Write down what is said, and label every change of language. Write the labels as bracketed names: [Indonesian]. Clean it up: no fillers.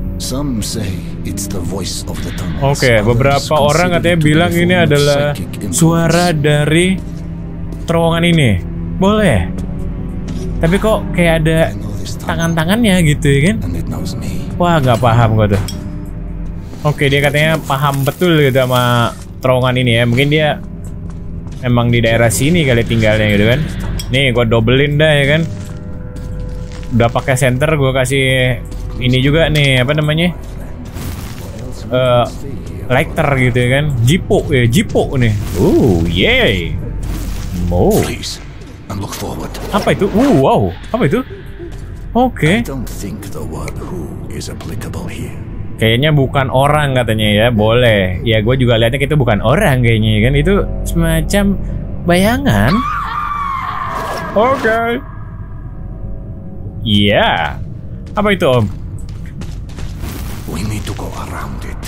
[English] Some say it's the voice of the tunnel. [Indonesian] Oke, beberapa orang katanya bilang ini adalah suara dari terowongan ini. Boleh. Tapi kok kayak ada tangan-tangannya gitu ya kan? Wah, gak paham gue tuh. Oke, dia katanya paham betul gitu sama terowongan ini ya. Mungkin dia emang di daerah sini kali tinggalnya gitu kan. Nih, gue dobelin dah ya kan. Udah pakai senter, gue kasih ini juga nih, apa namanya? Lighter gitu ya kan. Jipo, ya jipo nih. Yeay. Oh. [English] And look forward. [Indonesian] Apa itu? Wow. Apa itu? Oke. [English] I don't think the word who is applicable here. [Indonesian] Kayaknya bukan orang katanya ya. Boleh. Ya gue juga liatnya itu bukan orang kayaknya kan. Itu semacam bayangan. Oke. Ya. Apa itu om? [English] We need to go around it.